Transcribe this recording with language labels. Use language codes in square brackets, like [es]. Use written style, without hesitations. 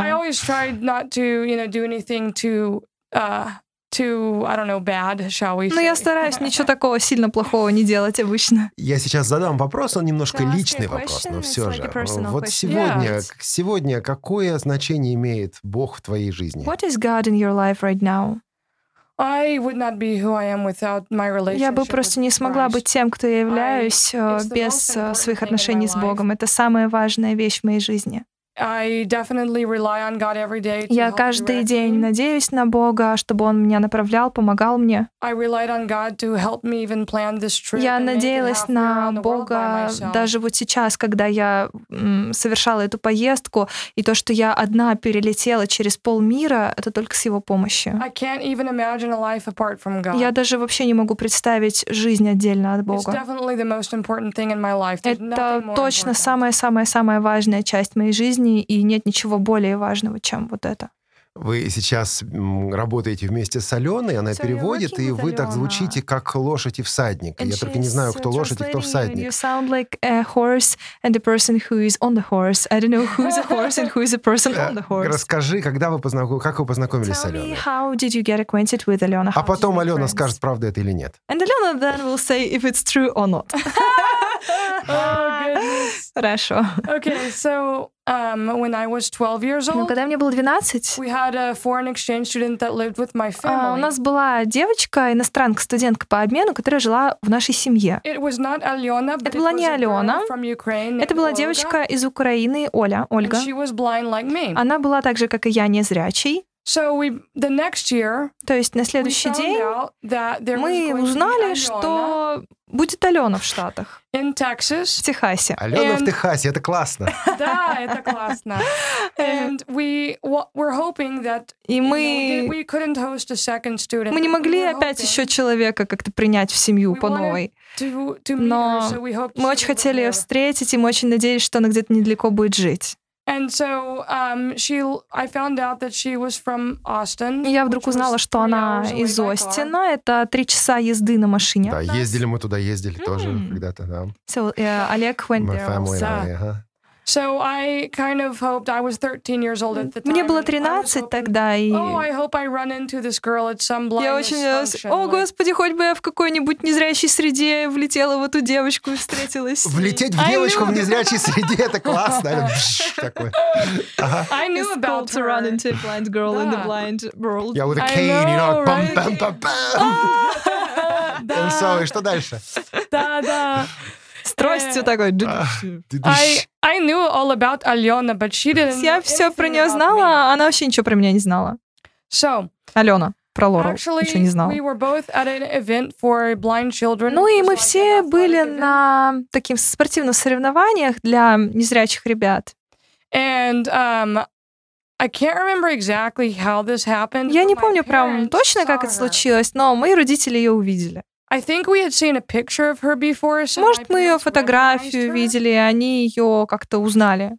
[en] I always tried not to, do anything too, I don't know, bad, shall we say. [ru] Но я стараюсь ничего такого сильно плохого не делать обычно. Я сейчас задам вопрос, он немножко личный вопрос, но все же. Вот сегодня какое значение имеет Бог в твоей жизни? [en] What is God in your life right now? I would not be who I am without my relationship. [ru] Я бы просто не смогла быть тем, кто я являюсь, без своих отношений с Богом. Это самая важная вещь в моей жизни. [en] I definitely rely on God every day. [ru] Я каждый день надеюсь на Бога, чтобы Он меня направлял, помогал мне. [en] I relied on God to help me even plan this trip. [ru] Я надеялась на Бога даже вот сейчас, когда я совершала эту поездку, и то, что я одна перелетела через полмира, это только с Его помощью. [en] I can't even imagine a life apart from God. [ru] Я даже вообще не могу представить жизнь отдельно от Бога. [en] It's definitely the most important thing in my life. [ru] Это точно самая важная часть моей жизни. И нет ничего более важного, чем вот это. Вы сейчас работаете вместе с Аленой, она переводит, и вы так звучите, как лошадь и всадник. Я только не знаю, кто лошадь и кто всадник. [en] You sound like a horse and a person who is on the horse. I don't know who is a horse and who is a person on the horse. [ru] Расскажи, как вы познакомились с Аленой. [en] Tell me, how did you get acquainted with Алена? [ru] А потом Алена скажет, правда это или нет. [en] And Алена then will say if it's true or not. [ru] Хорошо. [en] Okay, so when I was 12 years old. [ru] Ну, когда мне было 12. [en] We had a foreign exchange student that lived with my family. [ru] У нас была девочка, иностранка, студентка по обмену, которая жила в нашей семье. [en] It was not Алена, but [ru] это была не Алена. [en] From Ukraine, [ru] это была девочка из Украины, Ольга. [en] And she was blind like me. [ru] Она была так же, как и я, незрячей. [en] So we the next year. [ru] То есть на следующий день мы узнали, что будет Алена в Штатах. [en] In Texas. [ru] В Техасе. Алена в Техасе, это классно. Да, это классно. [en] And we were hoping that we couldn't host a second student. [ru] Мы не могли опять еще человека как-то принять в семью по новой. Но мы очень хотели ее встретить, и мы очень надеялись, что она где-то недалеко будет жить. [en] And so I found out that she was from Austin. [ru] Я вдруг узнала, что она из Остина. Это 3 часа езды на машине. Да, ездили мы туда, ездили тоже когда-то, да. [en] So Олег went there. My family, So I kind of hoped I was 13 years old at the time. [ru] Мне было 13 тогда, и [en] oh, I hope I run into this girl at some blind. [ru] Я очень надеялась. О, господи, хоть бы я в какой-нибудь незрячей среде влетела в эту девочку и встретилась. Влететь в девочку в незрячей среде — это классно. [en] I knew about to run into a blind girl in the blind world. Yeah, with a cane, you know, bam bam bam. [ru] Да. So, что дальше? Да. С тростью такой. [en] I knew all about Алена, but she didn't. [ru] Я все про нее знала, а она вообще ничего про меня не знала. [en] So, [ru] Алена про Лору ничего не знала. [en] We were both at an event for blind children. [ru] Ну и мы все были на таких спортивных соревнованиях для незрячих ребят. [en] And I can't remember exactly how this happened. [ru] Я не помню прям точно, как это случилось, но мои родители ее увидели. [en] I think we had seen a picture of her before. [ru] Может, мы ее фотографию видели, и они ее как-то узнали.